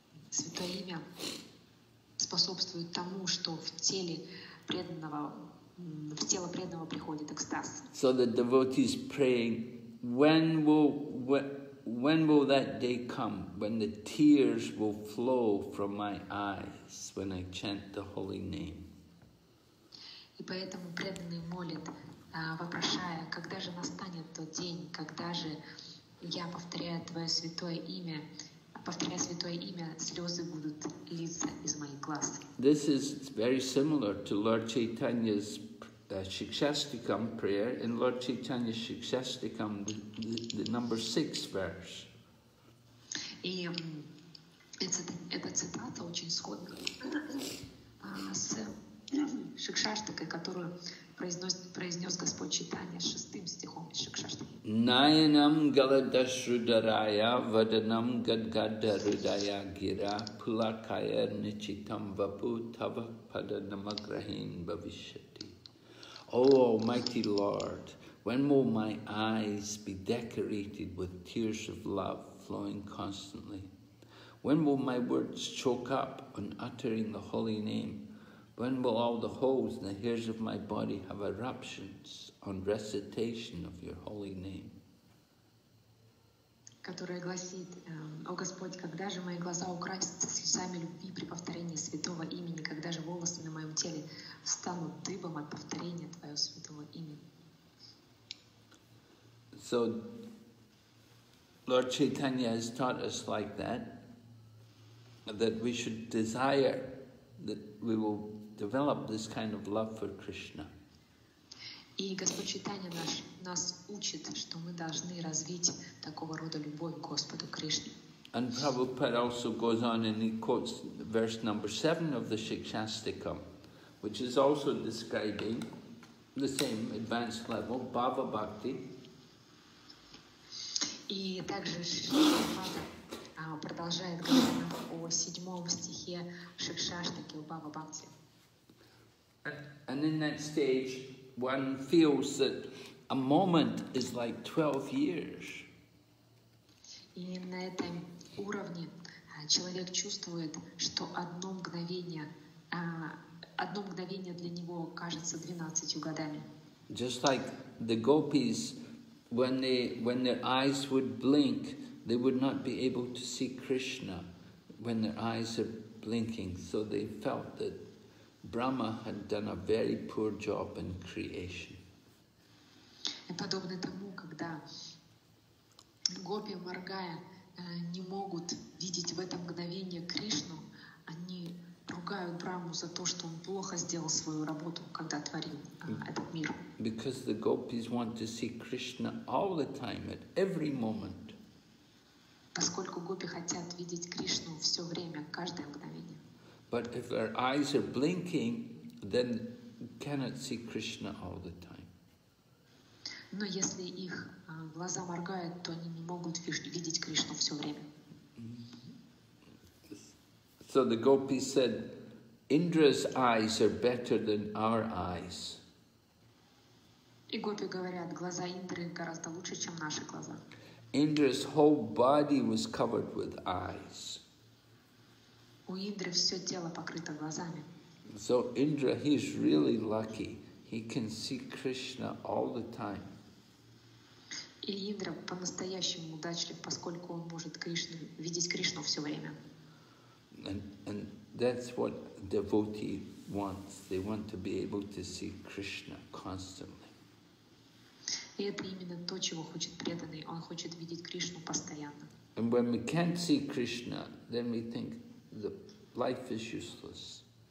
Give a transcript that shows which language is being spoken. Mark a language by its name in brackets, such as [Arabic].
[Russian] Святое имя способствует тому, что в тело преданного приходит экстаз. [English] So the devotee is praying, when will that day come when the tears will flow from my eyes when I chant the holy name? [Russian] И поэтому преданный молит, вопрошая, когда же настанет тот день, когда же я повторяю твое святое имя, повторяя святое имя, слезы будут литься из моих глаз. [English] This is very similar to Lord Chaitanya's Shikshastikam prayer. In Lord Chaitanya's Shikshastikam, the number 6 verse. [Russian] И эта цитата очень сходна с Шикшаштикой, которую произнес Господь Чайтанья шестым стихом из Шикшаштики. [Sanskrit] Наянам галадашрударая ваданам гадгадарудая гира пулакая ничитам вапу тава паданамаграхин бхавишьяти. [English] О, Almighty Lord, when will my eyes be decorated with tears of love flowing constantly? When will my words choke up on uttering the holy name? When will all the holes and the hairs of my body have eruptions on recitation of your holy name? [Russian] Которая гласит, о Господь, когда же мои глаза украсятся слезами любви при повторении святого имени, когда же волосы на моем теле встанут дыбом от повторения твоего святого имени? [English] So, Lord Chaitanya has taught us like that, that we should desire that we will develop this kind of love for Krishna. [Russian] И Господь Чайтанья нас учит, что мы должны развить такого рода любовь к Господу Кришне. [English] And Prabhupada also goes on and he quotes verse number 7 of the Shikshastikam, which is also describing the same advanced level, Bhava Bhakti. [Russian] И также Шикшаштика продолжает говорить о седьмом стихе Шикшаштики у Бхава Бхакти. [English] And in that stage, one feels that a moment is like 12 years. [Russian] И на этом уровне человек чувствует, что одно мгновение для него кажется 12 годами. [English] Just like the gopis, when their eyes would blink, they would not be able to see Krishna when their eyes are blinking. So they felt that Brahma had done a very poor job in creation. [Russian] И подобно тому, когда гопи, моргая, не могут видеть в это мгновение Кришну, они ругают Прабху за то, что он плохо сделал свою работу, когда творил этот мир. [English] Because the gopis want to see Krishna all the time, at every moment. [Russian] Поскольку гопи хотят видеть Кришну все время, каждое мгновение. [English] But if their eyes are blinking, then cannot see Krishna all the time. [Russian] Но если их глаза моргают, то они не могут видеть Кришну все время. [English] So the gopis said, Indra's eyes are better than our eyes. [Russian] И гопи говорят, глаза Индры гораздо лучше, чем наши глаза. [English] Indra's whole body was covered with eyes. [Russian] У Индры все тело покрыто глазами. [English] So Indra, he's really lucky. He can see Krishna all the time. [Russian] И Индра по-настоящему удачлив, поскольку он может Кришну, видеть Кришну все время. [English] And that's what devotee wants. They want to be able to see Krishna constantly. [Russian] И это именно то, чего хочет преданный. Он хочет видеть Кришну постоянно. [English] And when we can't see Krishna, then we think the life is useless.